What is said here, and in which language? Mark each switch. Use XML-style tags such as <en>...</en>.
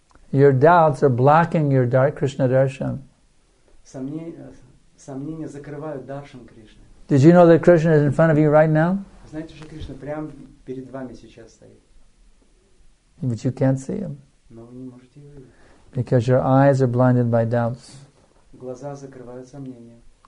<en>Your doubts are blocking your dark Krishna darshan.</en> <ru>Сомнения закрывают даршан Кришны.</ru> <en>Did you know that Krishna is in front of you right now?</en> <ru>Знаете, что Кришна прямо перед вами сейчас стоит.</ru> <en>But you can't see him.</en> <ru>Но вы не можете его видеть.</ru> <en>Because your eyes are blinded by doubts.</en> <ru>Глаза закрывают сомнения.</ru>